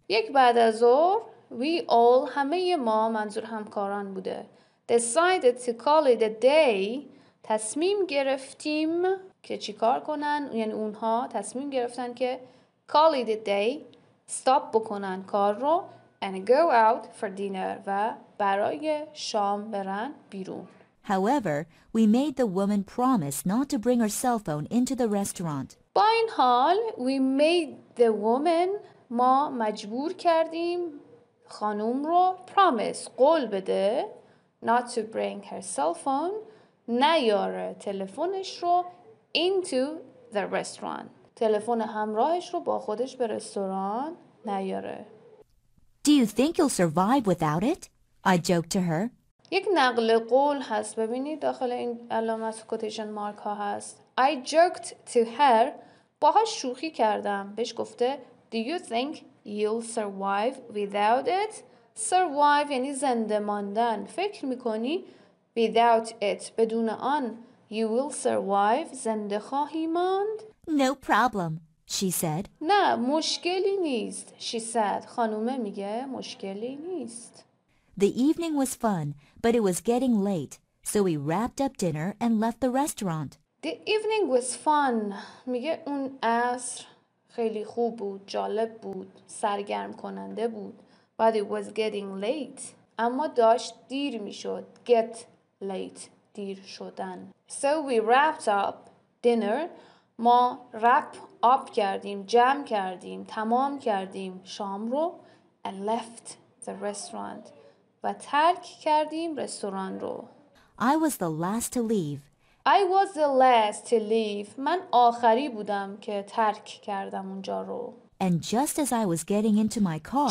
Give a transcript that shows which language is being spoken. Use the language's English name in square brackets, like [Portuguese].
[Persian] یک بعد از ظهر, [English] we all, [Persian] همه ما, منظور همکاران بوده, [English] decided to call it a day. [Persian] تصمیم گرفتیم که چیکار کنن, یعنی اونها تصمیم گرفتن که [English] call it a day, stop [Persian] بکنن کار رو, [English] and go out for dinner, [Persian] و برای شام برن بیرون. [English] However, we made the woman promise not to bring her cell phone into the restaurant. [Persian] با این حال, [English] we made the woman, [Persian] ما مجبور کردیم خانوم رو [English] promise, [Persian] قول بده, [English] not to bring her cell phone, [Persian] نیاره تلفنش رو [English] into the restaurant. [Persian] تلفن همراهش رو با خودش به رستوران نیاره. [English] Do you think you'll survive without it? I joked to her. [Persian] یک نقل قول هست. ببینید داخل این علامت کوتیشن مارک ها هست. [English] I joked to her. [Persian] باهاش شوخی کردم. بهش گفته [English] Do you think you'll survive without it? [Persian] Survive یعنی زنده ماندن. فکر میکنی [English] Without it, [Persian] بدون آن, [English] you will survive, [Persian] زنده خواهی ماند. [English] No problem, she said. [Persian] نه, مشکلی نیست, [English] she said. [Persian] خانومه میگه, مشکلی نیست. [English] The evening was fun, but it was getting late, so we wrapped up dinner and left the restaurant. The evening was fun, [Persian] میگه اون عصر خیلی خوب بود, جالب بود, سرگرم کننده بود. [English] But it was getting late, [Persian] اما داشت دیر میشد, [English] get late, [Persian] دیر شدن. [English] So we wrapped up dinner. [Persian] ما [English] wrap up [Persian] کردیم, جمع کردیم, تمام کردیم شام رو, [English] and left the restaurant. [Persian] و ترک کردیم رستوران رو. [English] I was the last to leave. I was the last to leave. [Persian] من آخری بودم که ترک کردم اونجا رو. [English] And just as I was getting into my car.